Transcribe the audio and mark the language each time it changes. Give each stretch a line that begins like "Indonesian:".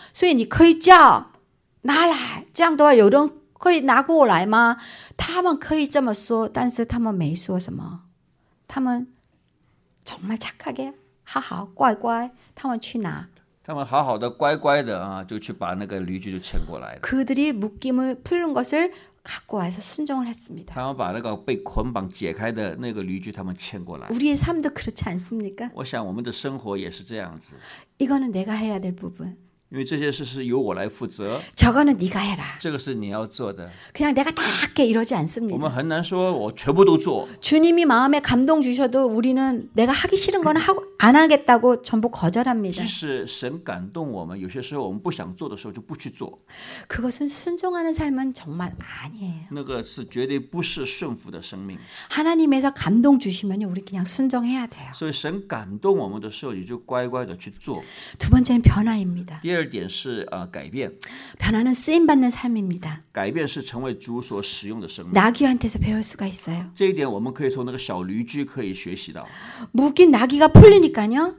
Chinese: 所以你可以叫拿来，这样的话有人可以拿过来吗？他们可以这么说，但是他们没说什么，他们
Korean: 정말착하게
Chinese: 好好乖乖，他们去哪？他们好好的乖乖的啊，就去把那个驴驹就牵过来了。
Korean: 그들이묶임을풀는것을갖고와서순종을했습니다
Chinese: 他们把那个被捆绑解开的那个驴驹，他们牵过来。
Korean: 우리의삶도그렇지않습니까？
Chinese: 我想我们的生活也是这样子。
Korean: 이거는내가해야될부분。
Chinese: 因为这些事是由我来负责。
Korean: 저거는네가해라。
Chinese: 这个是你要做的。
Korean: 그냥내가다할게이러지않습니다。
Chinese: 我们很难说我全部都做。
Korean: 주님이마음에감동주셔도우리는내가하기싫은건하고안하겠다고전부거절합니다。
Chinese: 即使神感动我们，有些时候我们不想做的时候就不去做。
Korean: 그것은순종하는삶은정말아니에요。
Chinese: 那个是绝对不是顺服的生命。
Korean: 하나님에서감동주시면요우리그냥순종해야돼요。
Chinese: 所以神感动我们的时候，你就乖乖的去做。
Korean: 두번째는변화입니다。
Chinese: 第二点是改变，
Korean: 변화는쓰임받는삶입니다。
Chinese: 改变是成为主所使用的生命。
Korean: 낙이한테서배울수가있어요。
Chinese: 这一点我们可以从那个小驴驹可以学习到。
Korean: 묶인낙이가풀리니까요。